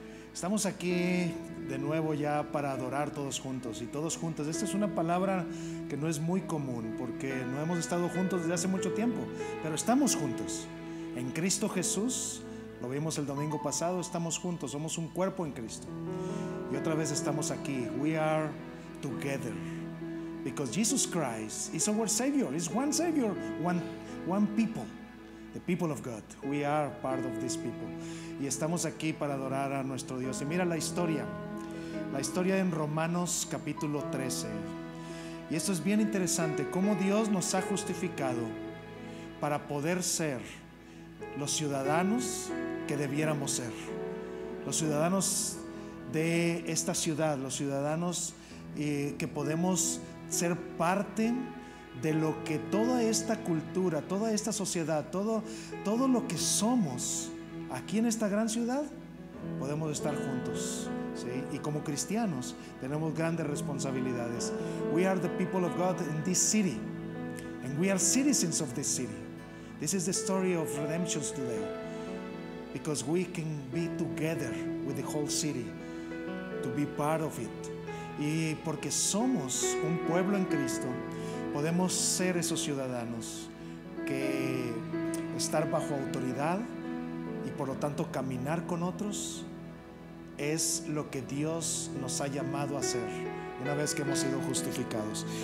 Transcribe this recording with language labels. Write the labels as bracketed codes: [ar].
[es] Estamos aquí de nuevo ya para adorar todos juntos y todos juntas. Esta es una palabra que no es muy común porque no hemos estado juntos desde hace mucho tiempo, pero estamos juntos en Cristo Jesús. Lo vimos el domingo pasado, estamos juntos, somos un cuerpo en Cristo. Y otra vez estamos aquí. [en] We are together because Jesus Christ is our Savior. It's one Savior, one people. The people of God, we are part of this people. [es] Y estamos aquí para adorar a nuestro Dios. Y mira la historia en Romanos capítulo 13. Y esto es bien interesante, cómo Dios nos ha justificado para poder ser los ciudadanos que debiéramos ser, los ciudadanos de esta ciudad, los ciudadanos que podemos ser parte de lo que toda esta cultura, toda esta sociedad, todo lo que somos aquí en esta gran ciudad, podemos estar juntos, ¿sí? Y como cristianos tenemos grandes responsabilidades. [en] We are the people of God in this city, and we are citizens of this city. This is the story of redemption today, because we can be together with the whole city to be part of it. [es] Y porque somos un pueblo en Cristo, podemos ser esos ciudadanos que estar bajo autoridad y por lo tanto caminar con otros es lo que Dios nos ha llamado a hacer una vez que hemos sido justificados.